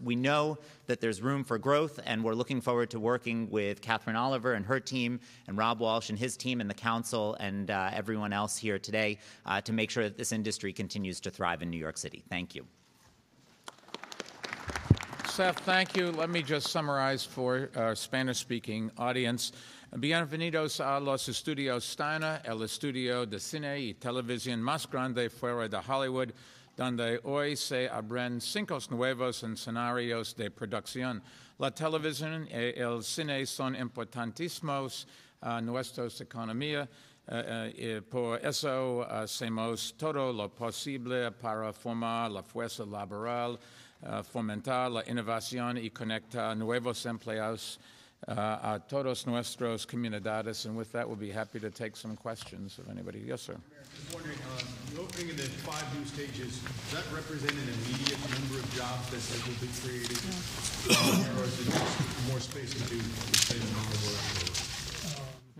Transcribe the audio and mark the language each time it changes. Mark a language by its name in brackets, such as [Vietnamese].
[English] We know that there's room for growth, and we're looking forward to working with Catherine Oliver and her team, and Rob Walsh and his team, and the council, and everyone else here today to make sure that this industry continues to thrive in New York City. Thank you. Seth, thank you. Let me just summarize for our Spanish-speaking audience. [Spanish] Bienvenidos a los estudios Steiner, el estudio de cine y televisión más grande fuera de Hollywood, donde hoy se abren cinco nuevos escenarios de producción. La televisión y el cine son importantísimos a nuestra economía, por eso hacemos todo lo posible para formar la fuerza laboral, fomentar la innovación y conectar nuevos empleados a todos nuestros comunidades. [English] And with that, we'll be happy to take some questions of anybody. Yes, sir. I'm wondering, the opening of the 5 new stages, does that represent an immediate number of jobs that will be created? Yeah. Or is it just more space to do the same amount of work?